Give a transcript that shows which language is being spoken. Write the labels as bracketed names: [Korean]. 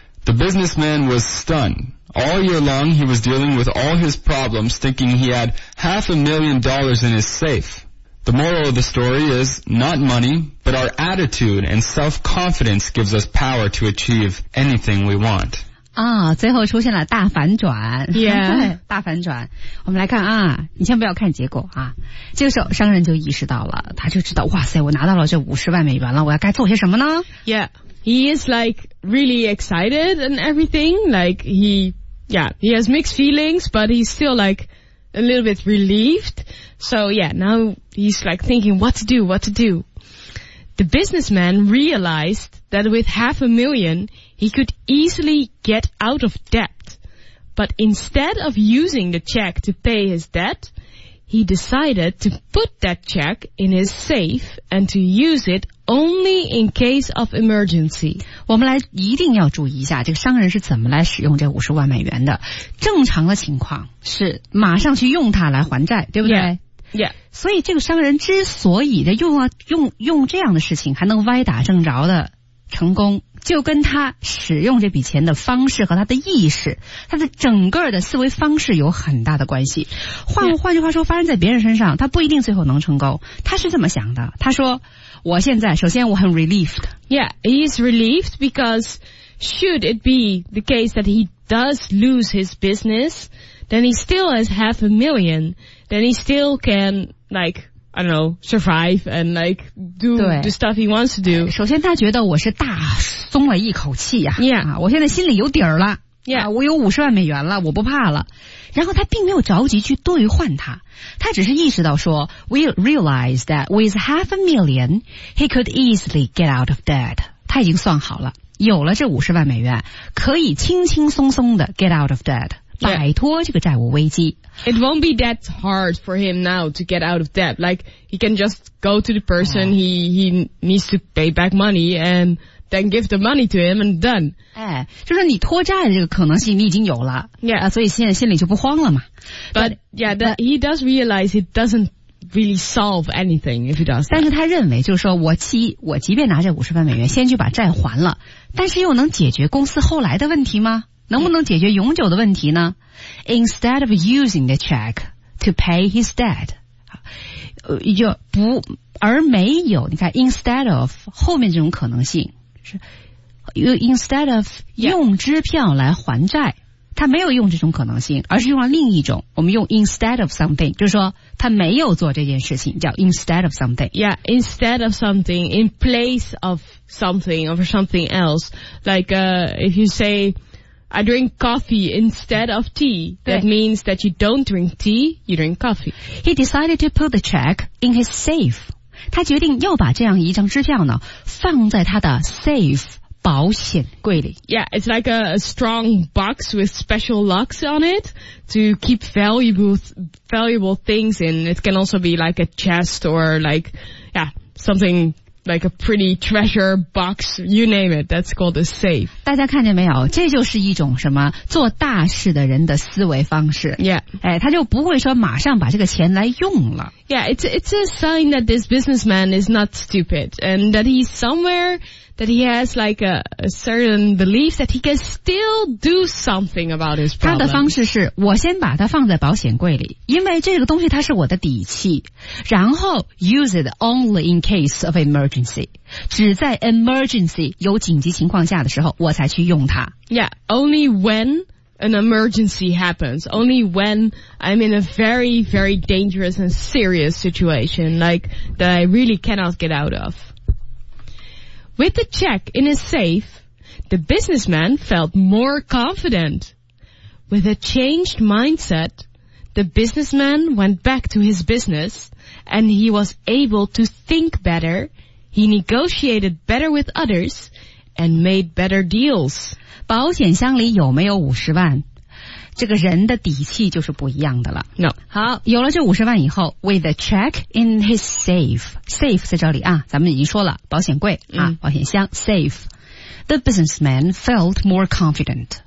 [English] The businessman was stunned. All year long, he was dealing with all his problems, thinking he had $500,000 in his safe. The moral of the story is, not money, but our attitude and self-confidence gives us power to achieve anything we want. [Chinese] 啊、哦，最后出现了大反转， [English] yeah. [Chinese] 大反转。我们来看啊，你先不要看结果啊。这个时候，商人就意识到了，他就知道，哇塞，我拿到了这50万美元了，我要该做些什么呢 [English] ？Yeah, he is like really excited and everything. Like he has mixed feelings, but he's still like a little bit relieved. So yeah, now he's like thinking what to do. The businessman realized that with $500,000. He could easily get out of debt, but instead of using the check to pay his debt, he decided to put that check in his safe and to use it only in case of emergency. [Chinese] 我们来一定要注意一下，这个商人是怎么来使用这50万美元的。正常的情况是马上去用它来还债，对不对？ [English] Yeah. Yeah. [Chinese] 所以这个商人之所以的用这样的事情还能歪打正着的成功，就跟他使用这笔钱的方式和他的意识，他的整个的思维方式有很大的关系。换句话说，发生在别人身上，他不一定最后能成功。他是这么想的，他说，我现在首先我很 relieved。 [English] Yeah, he is relieved because should it be the case that he does lose his business, then he still has $500,000, then he still can like,I don't know, survive and like do the stuff he wants to do. [Chinese] 首先他觉得我是大松了一口气啊。 [English] Yeah. [Chinese] 啊我现在心里有底儿了。 [English] Yeah. [Chinese] 啊我有50万美元了我不怕了。然后他并没有着急去兑换他。他只是意识到说 [English] ,we realize that with $500,000, he could easily get out of debt. [Chinese] 他已经算好了。有了这50万美元可以轻轻松松的 [English] get out of debt。 Yeah. [Chinese] 摆脱这个债务危机。 [English] It won't be that hard for him now to get out of debt. Like, he can just go to the person he needs to pay back money and then give the money to him and done. [Chinese] 哎，就是你脱债的这个可能性你已经有了。 [English] Yeah. [Chinese] 啊，所以现在心里就不慌了嘛。 [English] But he does realize it doesn't really solve anything if he does that. [Chinese] 但是他认为就是说我即便拿这50万美元先去把债还了，但是又能解决公司后来的问题吗？能不能解决永久的问题呢？ [English] Instead of using the check to pay his debt, [Chinese] 而没有，你看 instead of 后面这种可能性是 instead of 用支票来还债，他没有用这种可能性，而是用了另一种，我们用 instead of something, 就是说他没有做这件事情，叫 instead of something. [English] Yeah, instead of something, in place of something, or something else. Like, if you say,I drink coffee instead of tea. That means that you don't drink tea, you drink coffee. He decided to put the check in his safe. [Chinese] 他决定又把这样一张支票呢放在他的 safe 保险柜里。 [English] Yeah, it's like a strong box with special locks on it to keep valuable things in. It can also be like a chest or like, yeah, something like a pretty treasure box, you name it, that's called a safe. [Chinese] 大家看见没有，这就是一种什么做大事的人的思维方式。 [English] Yeah. [Chinese] 哎，他就不会说马上把这个钱来用了。 [English] Yeah, it's a sign that this businessman is not stupid and that he's somewhere... that he has like a certain belief that he can still do something about his problem. [Chinese] 他的方式是我先把它放在保险柜里，因为这个东西它是我的底气，然后 [English] use it only in case of emergency. [Chinese] 只在 emergency 有紧急情况下的时候我才去用它。 [English] Yeah, only when an emergency happens. Only when I'm in a very, very dangerous and serious situation like that I really cannot get out of. With the check in his safe, the businessman felt more confident. With a changed mindset, the businessman went back to his business, and he was able to think better, he negotiated better with others, and made better deals. [Chinese] 保险箱里有没有五十万？这个人的底气就是不一样的了。 [English] No. [Chinese] 好，有了这五十万以后 , [English] with a check in his safe, [Chinese] safe 在这里啊，咱们已经说了保险柜啊、保险箱 safe. [English] The businessman felt more confident.